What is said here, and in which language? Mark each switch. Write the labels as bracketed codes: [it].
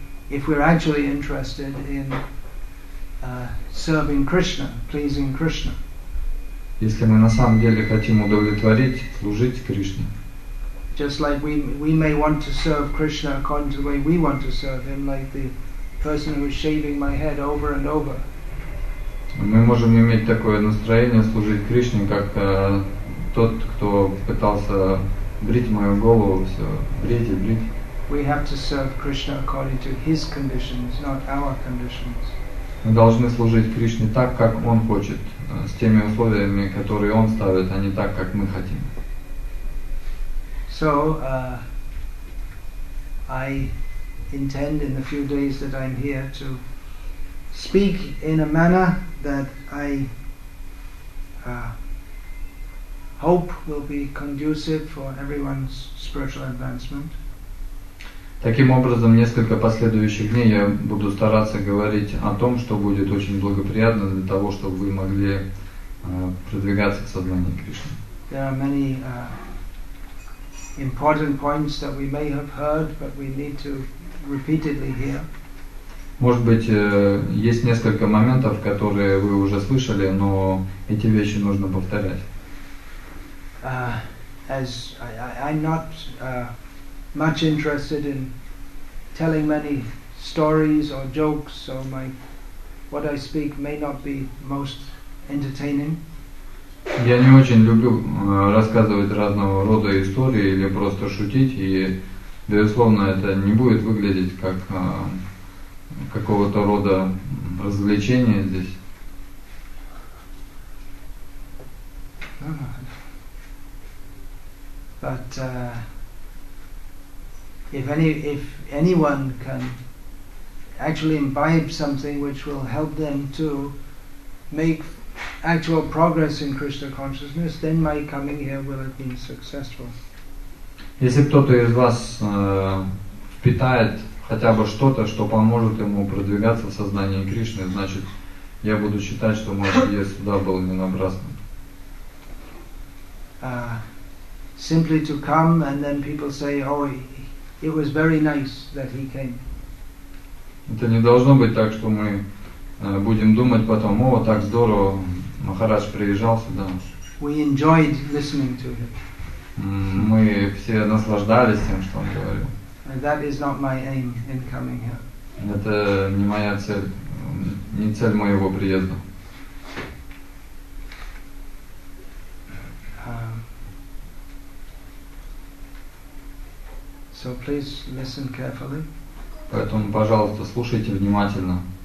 [en] If we're actually interested in serving Krishna, pleasing Krishna. [ru] Если мы на самом деле хотим удовлетворить, служить Кришне. [en] Just like we may want to serve Krishna according to the way we want to serve him, like the person who is shaving my head over and over. [ru] Мы можем иметь такое настроение служить Кришне, как тот, кто пытался брить мою голову, все брить и брить. [en] We have to serve Krishna according to his conditions, not our conditions. [ru] Мы должны служить Кришне так, как он хочет, с теми условиями, которые он ставит, а не так, как мы хотим. [en] So, I intend in the few days that I'm here to speak in a manner that I hope will be conducive for everyone's spiritual advancement. [ru] Таким образом, несколько последующих дней я буду стараться говорить о том, что будет очень благоприятно для того, чтобы вы могли продвигаться к сознанию Кришны. [en] There are many important points that we may have heard, but we need to repeatedly hear. [ru] Может быть, есть несколько моментов, которые вы уже слышали, но эти вещи нужно повторять. [en] As I'm not much interested in telling many stories or jokes, so what I speak may not be most entertaining. [ru] Я не очень люблю рассказывать разного рода истории или просто шутить, и, безусловно, это не будет выглядеть как какого-то рода развлечение здесь. [en] But if anyone can actually imbibe something which will help them to make actual progress in Krishna consciousness, then my coming here will have been successful. [ru] Если кто-то из вас впитает хотя бы что-то, что поможет ему продвигаться в сознании Кришны, значит, я буду считать, что мой приезд сюда был не напрасным. [en] Simply to come and then people say, oh, it was very nice that he came. [ru] Это не должно быть так, что мы будем думать потом, о, так здорово, Махарадж приезжал сюда. [en] We enjoyed listening to him. [ru] Мы все наслаждались тем, что он говорил. [en] And that is not my aim in coming here. [ru] Это не моя цель, не цель моего приезда. [en] So please listen carefully. [ru] Поэтому, пожалуйста, слушайте внимательно.